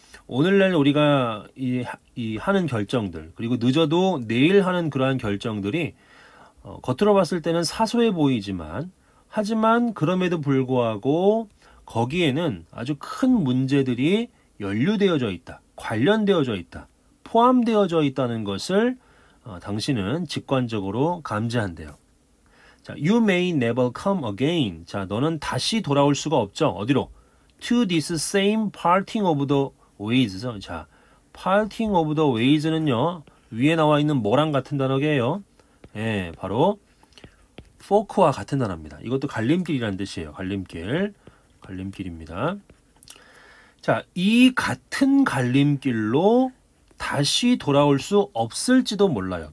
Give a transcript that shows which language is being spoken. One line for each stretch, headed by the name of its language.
Korean: 오늘날 우리가 이 하는 결정들, 그리고 늦어도 내일 하는 그러한 결정들이 겉으로 봤을 때는 사소해 보이지만, 하지만 그럼에도 불구하고 거기에는 아주 큰 문제들이 연루되어져 있다, 관련되어져 있다, 포함되어져 있다는 것을 당신은 직관적으로 감지한대요. 자,
English: you may never come again.
Korean: 자, 너는 다시 돌아올 수가 없죠. 어디로?
English: To this same parting of the ways.
Korean: 자,
English: parting of the ways
Korean: 는요, 위에 나와 있는 뭐랑 같은 단어예요? 예, 바로 fork와 같은 단어입니다. 이것도 갈림길이라는 뜻이에요. 갈림길. 갈림길입니다. 자, 이 같은 갈림길로 다시 돌아올 수 없을지도 몰라요.